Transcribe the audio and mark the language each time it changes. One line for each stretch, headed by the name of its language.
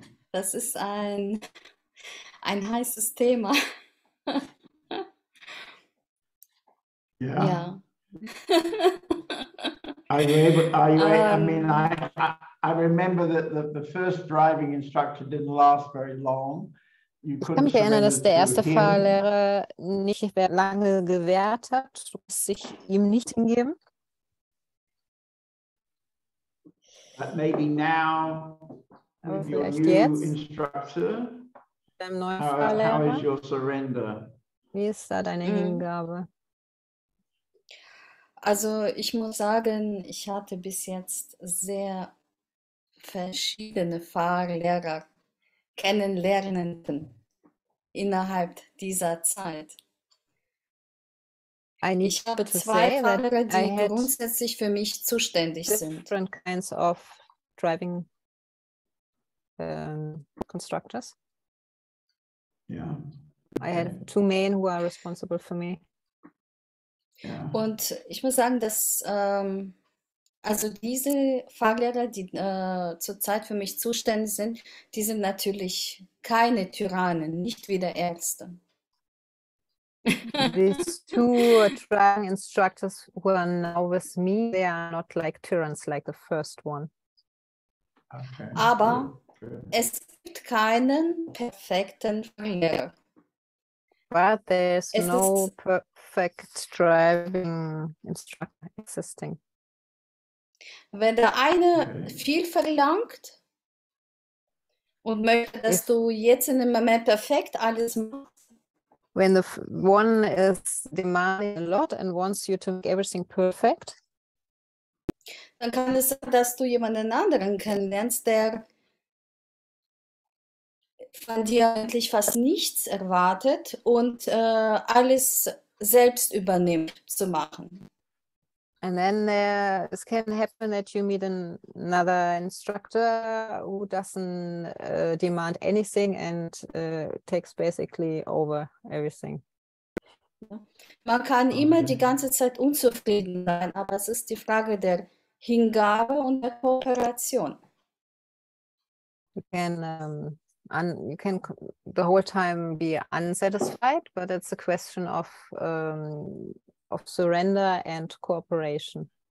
German: Das ist ein heißes Thema.
English: I remember that the first driving instructor didn't last very long.
German: Ich kann mich erinnern, dass der erste Fahrlehrer nicht mehr lange gewehrt hat, sich ihm nicht hingeben.
English: Maybe now,
German: vielleicht jetzt, beim neuen Fahrlehrer,
English: how is your surrender?
German: Wie ist da deine Hingabe? Also ich muss sagen, ich hatte bis jetzt sehr verschiedene Fahrlehrer kennenlernen innerhalb dieser Zeit. Ich habe zwei Fahrer, die grundsätzlich für mich zuständig sind.
English: Different kinds of driving constructors. Yeah. I had two main who are responsible for me. Yeah.
German: Und ich muss sagen, dass also diese Fahrlehrer, die zurzeit für mich zuständig sind, die sind natürlich keine Tyrannen, nicht wie der Ärzte.
English: These two training instructors who are now with me, they are not like tyrants, like the first one.
German: Okay. Aber es gibt keinen perfekten Fahrlehrer.
English: But there's no perfect driving instructor existing.
German: Wenn der eine viel verlangt und möchte, dass du jetzt in dem Moment perfekt alles machst.
English: When the one is demanding a lot and wants you to make everything perfect.
German: Dann kann es sein, dass du jemanden anderen kennenlernst, der von dir eigentlich fast nichts erwartet und alles selbst übernimmt zu machen.
English: And then it can happen that you meet another instructor who doesn't demand anything and takes basically over everything.
German: Man kann immer die ganze Zeit unzufrieden sein, aber es ist die Frage der Hingabe und der Kooperation.
English: You can the whole time be unsatisfied, but it's a question of surrender and cooperation.